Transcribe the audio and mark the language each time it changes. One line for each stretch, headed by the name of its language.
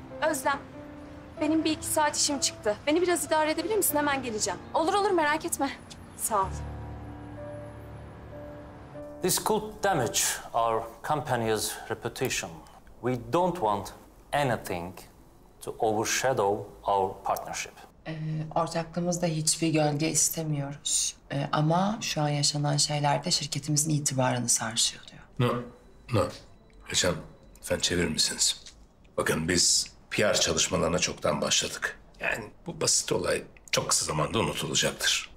Turkish: Özlem, benim bir iki saat işim çıktı. Beni biraz idare edebilir misin? Hemen geleceğim. Olur olur, merak etme. Sağ ol.
English: This could damage our company's reputation. We don't want anything to overshadow our partnership.
Turkish: Ortaklığımızda hiçbir gölge istemiyoruz. Ama şu an yaşanan şeyler de şirketimizin itibarını sarsıyor diyor.
English: No, no.
Turkish: Hocam, sen çevirir misiniz? Bakın biz PR çalışmalarına çoktan başladık. Yani bu basit olay çok kısa zamanda unutulacaktır.